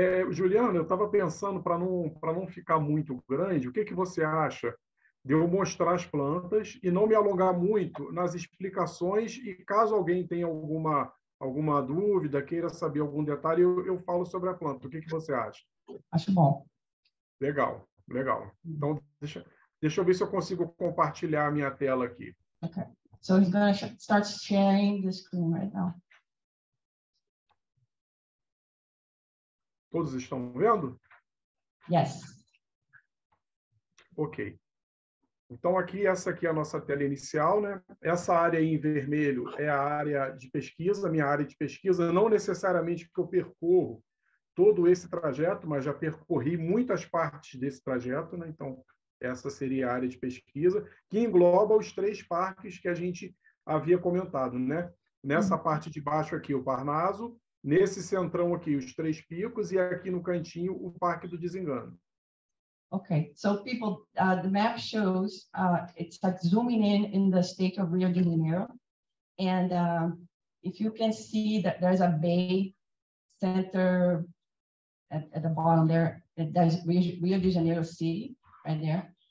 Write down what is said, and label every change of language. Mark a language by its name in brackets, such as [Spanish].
[Portuguese] Juliana, eu estava pensando, para não ficar muito grande, o que, que você acha de eu mostrar as plantas e não me alongar muito nas explicações e caso alguém tenha alguma dúvida, queira saber algum detalhe, eu falo sobre a planta. O que, que você acha? Acho bom. Legal. Então, deixa eu ver se eu consigo compartilhar a minha tela aqui. Ok. [English] So he's gonna start sharing the screen right now. [Portuguese] Todos estão vendo? [English] Yes. Ok. [Portuguese] Então aqui, essa aqui é a nossa tela inicial, né? Essa área em vermelho é a área de pesquisa, minha área de pesquisa, não necessariamente porque eu percorro todo esse trajeto, mas já percorri muitas partes desse trajeto, né? Então, essa seria a área de pesquisa, que engloba os três parques que a gente havia comentado, né? Nessa parte de baixo aqui, o Parnaso, nesse centrão aqui, os Três Picos, e aqui no cantinho, o Parque do Desengano. [English] Ok, so people, the map shows, it's like zooming in the state of Rio de Janeiro, and if you can see that there's a bay center at the bottom there, that's Rio de Janeiro City, right there.